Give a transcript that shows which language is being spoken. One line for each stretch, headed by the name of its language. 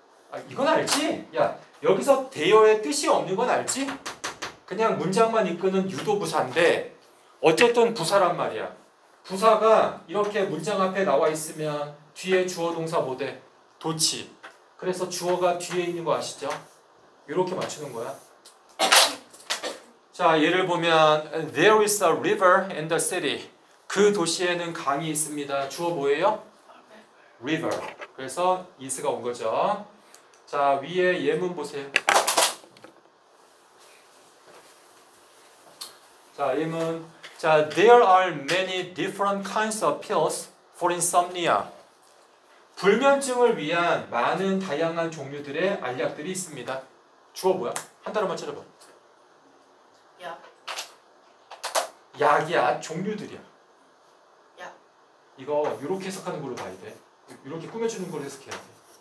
Korean: 아, 이건 알지? 야, 여기서 대여의 뜻이 없는 건 알지? 그냥 문장만 이끄는 유도부사인데 어쨌든 부사란 말이야. 부사가 이렇게 문장 앞에 나와 있으면 뒤에 주어 동사 뭐 돼? 도치. 그래서 주어가 뒤에 있는 거 아시죠? 이렇게 맞추는 거야. 자, 예를 보면
English: There is a river in the city.
Korean: 그 도시에는 강이 있습니다. 주어 뭐예요? River. 그래서 is가 온 거죠. 자, 위에 예문 보세요. 자, 예문.
English: 자, There are many different kinds of pills for insomnia.
Korean: 불면증을 위한 많은 다양한 종류들의 알약들이 있습니다. 주어 뭐야? 한 단어만 찾아봐. 약. 약이야. 종류들이야. 약. 이거 이렇게 해석하는 걸로 봐야 돼. 이렇게 꾸며주는 걸로 해석해야 돼.